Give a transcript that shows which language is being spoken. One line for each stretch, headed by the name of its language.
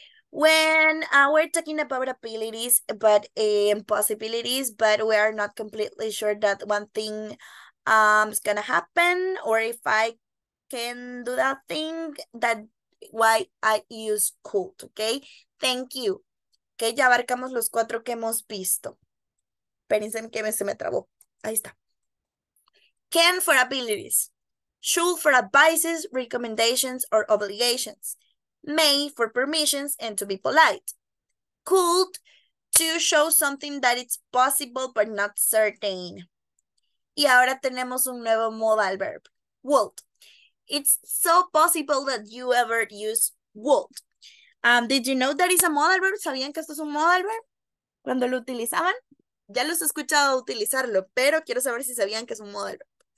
English: When we're talking about abilities, but possibilities, but we are not completely sure that one thing is gonna happen, or if I can do that thing, that why I use could, okay? Thank you.
Spanish: Okay, ya abarcamos los cuatro que hemos visto. Espérense que se me trabó. Ahí está.
English: Can for abilities. Should for advices, recommendations, or obligations. May for permissions and to be polite. Could to show something that it's possible but not certain.
Spanish: Y ahora tenemos un nuevo
English: modal verb. Would. It's so possible that you ever use would. Did you know that is a modal verb?
Spanish: ¿Sabían que esto es un modal verb? ¿Cuándo lo utilizaban? Ya los he escuchado utilizarlo, pero quiero saber si sabían que es un modal verb.